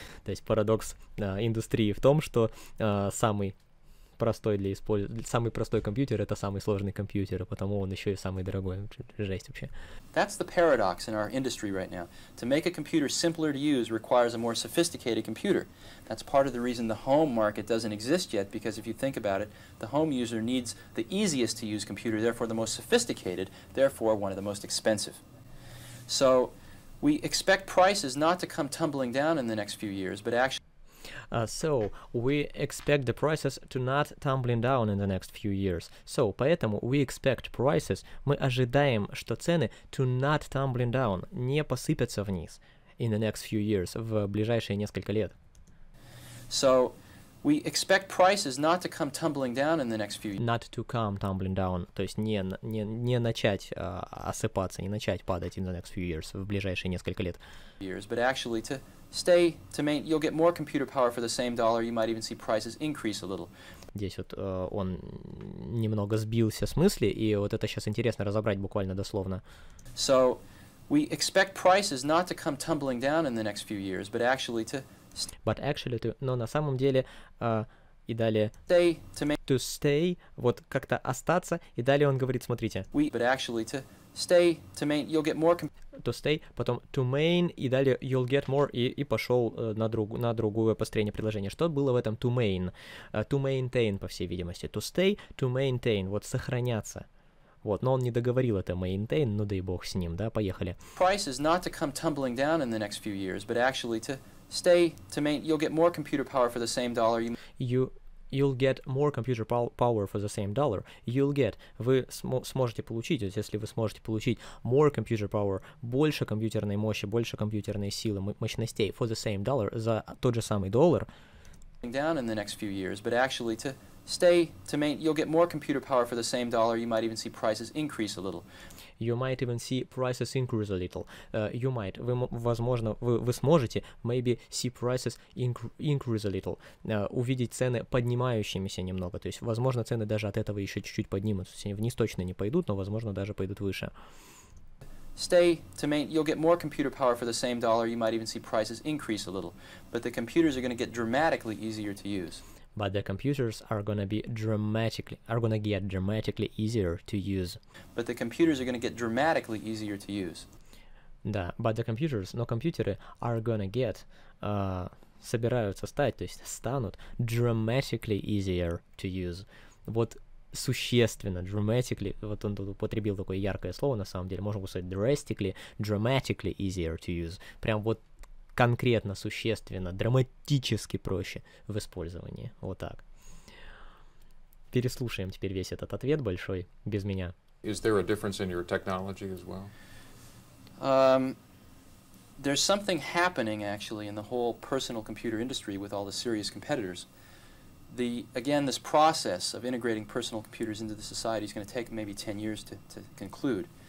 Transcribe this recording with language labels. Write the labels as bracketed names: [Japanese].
[Russian] То есть парадокс индустрии в том, что самый простой для использования, самый простой компьютер это самый сложный компьютер, а потому он еще и самый дорогой. Жесть вообще. [English] That's the paradox in our industry right now. To make a computer simpler to use requires a more sophisticated computer. That's part of the reason the home market doesn't exist yet, because if you think about it, the home user needs the easiest to use computer, therefore the most sophisticated, therefore one of the most expensive. So we expect prices not to come tumbling down in the next few years, but actually So, we expect the prices to not tumbling down in the next few years. So, [Russian] поэтому [English] we expect prices, [Russian] мы ожидаем, что цены [English] to not tumbling down, [Russian] не посыпятся вниз [English] in the next few years, [Russian] в ближайшие несколько лет. [English] So, we expect prices not to come tumbling down in the next few years. Not to come tumbling down, [Russian] то есть не начать осыпаться, не начать падать [English] in the next few years, [Russian] в ближайшие несколько лет. [English] Years, but actually to... Stay to main. You'll get more computer power for the same dollar. You might even see prices increase a little. [Russian] Здесь вот он немного сбился с мысли, и вот это сейчас интересно разобрать буквально дословно. [English] So, we expect prices not to come tumbling down in the next few years, but actually to. But actually to. [Russian] Но на самом деле и далее. [English] Stay to main. To stay. [Russian] Вот как-то остаться. И далее он говорит, смотрите. [English] We. But actually to. Stay to main, you'll get more to stay, [Russian] потом [English] to main, [Russian] и далее [English] you'll get more, [Russian] и пошел на другое построение предложения. Что было в этом to main? [English] To maintain, [Russian] по всей видимости. [English] To stay, to maintain, [Russian] вот сохраняться. Вот, но он не договорил это [English] maintain, [Russian] ну дай бог с ним, да, поехали. [English] Price is not to come tumbling down in the next few years, but actually to stay to main, you'll get more computer power for the same dollar. You'll get more computer power for the same dollar. You'll get. [Russian] Вы сможете получить, то есть если вы сможете получить [English] more computer power, [Russian] больше компьютерной мощи, больше компьютерной силы, мощностей [English] for the same dollar, [Russian] за тот же самый доллар. [English] Down in the next few years, but actually to stay to main, you'll get more computer power for the same dollar. You might even see prices increase a little. You might even see prices increase a little. You might. [Russian] Вы сможете [English] maybe see prices increase a little. [Russian] Увидеть цены поднимающимися немного. То есть, возможно, цены даже от этого еще чуть-чуть поднимутся. Они вниз точно не пойдут, но, возможно, даже пойдут выше. [English] Stay to main, you'll get more computer power for the same dollar. You might even see prices increase a little. But the computers are going to get dramatically easier to use. But the computers are gonna get dramatically easier to use. But the computers are gonna get dramatically easier to use. [Russian] Да, [English] but the computers, [Russian] но компьютеры [English] are gonna get, [Russian] собираются стать, то есть станут [English] dramatically easier to use. [Russian] Вот существенно, dramatically, вот он тут употребил такое яркое слово на самом деле, можно бы сказать drastically, [English] dramatically easier to use. [Russian] Прям вот конкретно, существенно, драматически проще в использовании. Вот так. Переслушаем теперь весь этот ответ большой, без меня. [English] Is there a difference in your technology as well? There's something happening, actually, in the whole personal computer industry with all the serious competitors. The, again, this process of integrating personal computers into the society is going to take maybe 10 years to conclude.